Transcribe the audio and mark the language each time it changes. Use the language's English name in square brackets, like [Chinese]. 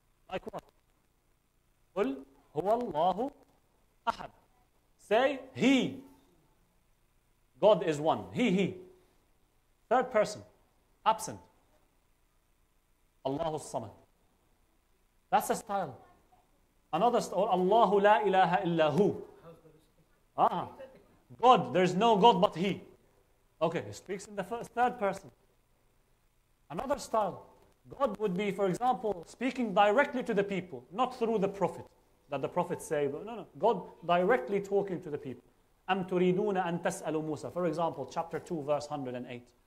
[English] Like what? [Arabic] قُلْ هُوَ اللَّهُ أَحَدْ. [English] Say, He. God is one. He. Third person. Absent. [Arabic] Allahu الصَّمَدْ. [English] That's a style. Another style. [Arabic] Allahu لَا إِلَهَ إِلَّا هُ. [English] God. There's no God but He. Okay, he speaks in the first, third person. Another style. God would be, for example, speaking directly to the people, not through the prophet, that the prophets say, but no. God directly talking to the people. [Arabic] أَمْ تُرِيدُونَ أَن تَسْأَلُوا مُوسَى. [English] For example, chapter 2, verse 108.